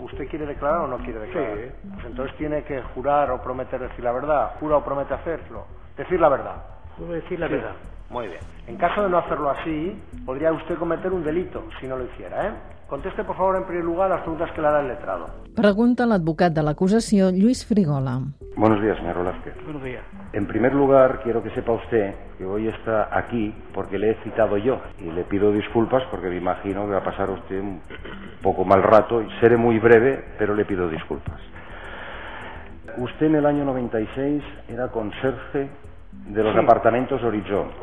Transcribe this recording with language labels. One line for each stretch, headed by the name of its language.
Spanish: ¿Usted quiere declarar o no quiere declarar? Sí. Pues entonces tiene que jurar o prometer decir la verdad. ¿Jura o promete hacerlo? Decir la verdad. Juro decir la verdad. Muy bien. En caso de no hacerlo así, podría usted cometer un delito si no lo hiciera, ¿eh? Conteste, por favor, en primer lugar, las preguntas que le hará el letrado.
Catalan: Pregunta l'advocat de l'acusació, Lluís Frigola.
Spanish: Buenos días, señor Velázquez. Buenos días. En primer lugar, quiero que sepa usted que hoy está aquí porque le he citado yo. Y le pido disculpas porque me imagino que va a pasar usted un poco mal rato. Seré muy breve, pero le pido disculpas. Usted en el año 96 era conserje de los apartamentos Horizon.